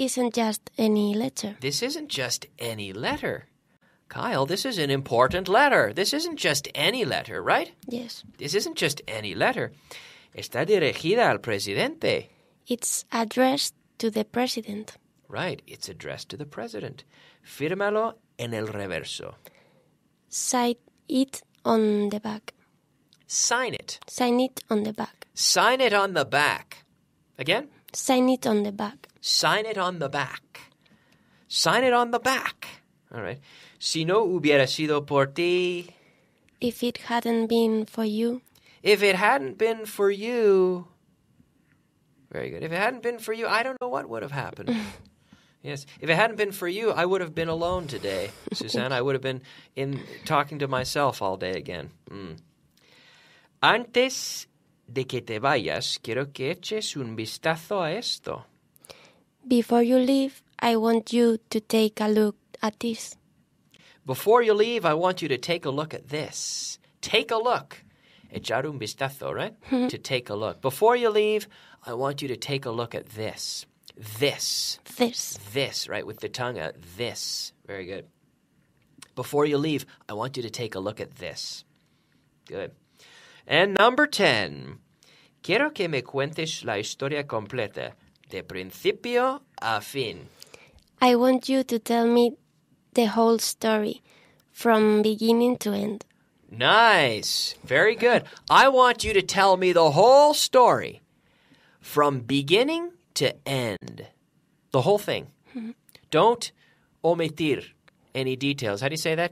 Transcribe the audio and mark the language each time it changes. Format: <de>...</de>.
<en>This isn't just any letter. This isn't just any letter. Kyle, this is an important letter. This isn't just any letter, right? Yes. This isn't just any letter.</en> <es>Está dirigida al presidente.</es> <en>It's addressed to the president. Right, it's addressed to the president.</en> <es>Fírmalo en el reverso.</es> <en>Sign it on the back. Sign it. Sign it on the back. Sign it on the back. Again? Sign it on the back. Sign it on the back. Sign it on the back. All right.</en> <es>Si no hubiera sido por ti.</es> <en>If it hadn't been for you. If it hadn't been for you. Very good. If it hadn't been for you, I don't know what would have happened. Yes. If it hadn't been for you, I would have been alone today, Suzanne. I would have been in talking to myself all day again.</en> <es>Antes de que te vayas, quiero que eches un vistazo a esto.</es> <en>Before you leave, I want you to take a look at this. Before you leave, I want you to take a look at this. Take a look.</en> <es>Echar un vistazo,</es> <en>right? To take a look. Before you leave, I want you to take a look at this. This. This. This, right, with the tongue out. This. Very good. Before you leave, I want you to take a look at this. Good. And number 10,</en> <es>quiero que me cuentes la historia completa, de principio a fin.</es> <en>I want you to tell me the whole story, from beginning to end. Nice. Very good. I want you to tell me the whole story, from beginning to end. The whole thing. Don't omitir any details. How do you say that?</en>